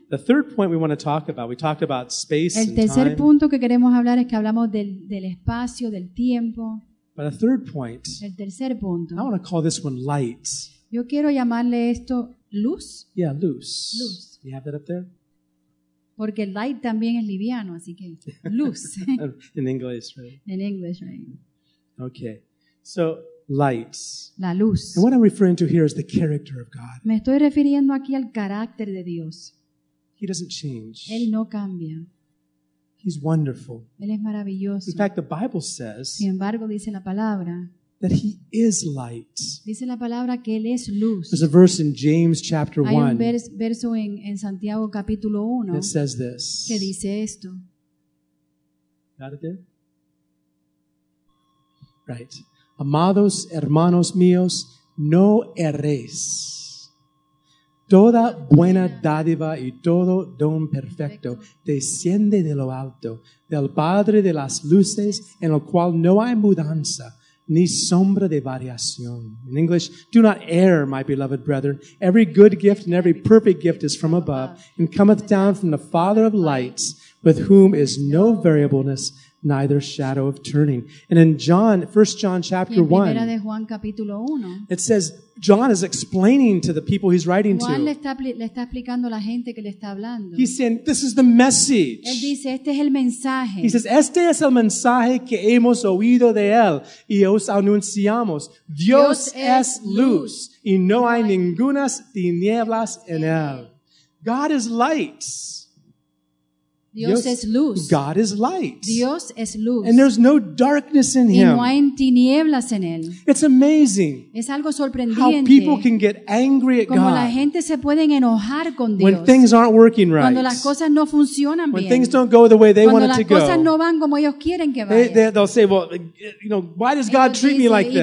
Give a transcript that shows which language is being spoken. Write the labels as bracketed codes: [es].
[en] The third point we want to talk about. We talked about space and time. [es] El tercer punto que queremos hablar es que hablamos del espacio, del tiempo. [en] But a third point. [es] El tercer punto. [en] I want to call this one light. [es] Yo quiero llamarle esto luz. Yeah, luz. Luz. [en] You have that up there? [es] Porque light también es liviano, así que luz. [en] In English, right? In English, right? Okay, so lights. [es] La luz. [en] And what I'm referring to here is the character of God. [es] Me estoy refiriendo aquí al carácter de Dios. [en] He doesn't change. [es] Él no cambia. [en] He's wonderful. [es] Él es maravilloso. [en] In fact, the Bible says. [es] Sin embargo, dice la palabra. [en] That he is light. [es] Dice la palabra que él es luz. [en] There's a verse in James chapter 1. [es] Hay un verso en Santiago capítulo 1. [en] That says this. [es] Que dice esto. [en] Got it there? [es] Right. Amados hermanos míos, no erréis. Toda buena dádiva y todo don perfecto desciende de lo alto, del Padre de las luces, en lo cual no hay mudanza ni sombra de variación. [en] In English, do not err, my beloved brethren. Every good gift and every perfect gift is from above and cometh down from the Father of lights, with whom is no variableness, neither shadow of turning. And in John, 1 John chapter 1, [es] de Juan, capítulo 1, [en] it says John is explaining to the people he's writing to. [es] Juan le está explicando a la gente que le está hablando. [en] He's saying, this is the message. [es] Él dice, este es el mensaje. [en] He says, [es] este es el mensaje que hemos oído de él y os anunciamos. Dios es luz y no hay ninguna tinieblas en él. [en] God is light. [es] Dios es luz. [en] God is light. [es] Dios es luz. [en] And there's no darkness in him. [es] Y no hay tinieblas en él. [en] It's amazing. [es] Es algo sorprendente. [en] How people can get angry at [es] como [en] God. [es] La gente se pueden enojar con Dios. [en] When things aren't working right. [es] Cuando las cosas no funcionan [en] when [es] bien. [en] When things don't go the way they [es] cuando Cuando las cosas no van como ellos quieren que vayan. [en] They'll say, well, you know, why does God treat me like this?